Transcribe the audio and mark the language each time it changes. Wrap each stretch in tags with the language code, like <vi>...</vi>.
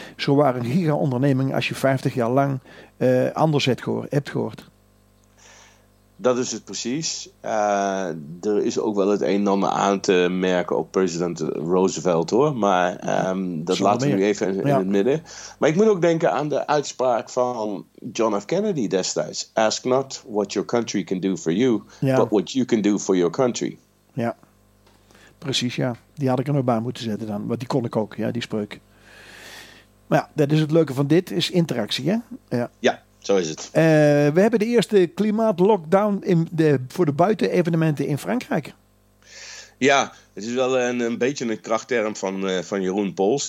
<nl>Zo waren giga-ondernemingen als je 50 jaar lang anders hebt gehoord. Dat is het precies. Er is ook wel het een en ander aan te merken op president Roosevelt, hoor. Maar dat laten we nu even in het midden. Maar ik moet ook denken aan de uitspraak van John F. Kennedy destijds.</nl> <en>Ask not what your country can do for you, but what you can do for your country.</en> <nl>Ja, precies, ja. Die had ik er nog bij moeten zetten dan. Want die kon ik ook, ja, die spreuk. Maar ja, dat is het leuke van dit, is interactie, hè? Ja. Zo is het. We hebben de eerste klimaatlockdown voor de buitenevenementen in Frankrijk. Ja, het is wel een beetje een krachtterm van Jeroen Pols.</nl>